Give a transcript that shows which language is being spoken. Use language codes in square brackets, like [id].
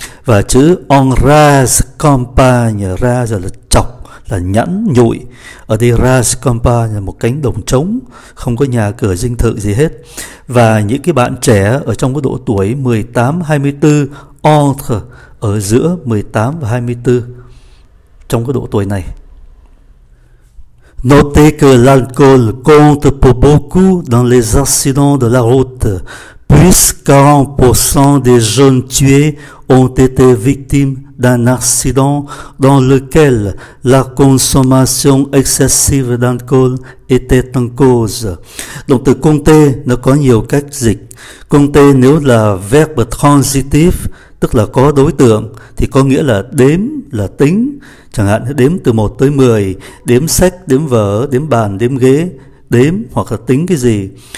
[vi] Và chữ en rase campagne, rase là chọc, là nhẵn nhụi. Ở đây rase campagne là một cánh đồng trống, không có nhà cửa dinh thự gì hết. Và những cái bạn trẻ ở trong cái độ tuổi 18-24, entre, ở giữa 18 và 24, trong cái độ tuổi này. [fr] Notez que l'alcool compte pour beaucoup dans les accidents de la route. Plus 40% des jeunes tués ont été victimes d'un accident dans lequel la consommation excessive d'alcool était en cause. [vi] Donc, te compter, nó có nhiều cách dịch. Compter, nếu là verbe transitif, tức là có đối tượng, thì có nghĩa là đếm, là tính. Chẳng hạn đếm từ 1 tới 10, đếm sách, đếm vở, đếm bàn, đếm ghế, đếm hoặc là tính cái gì.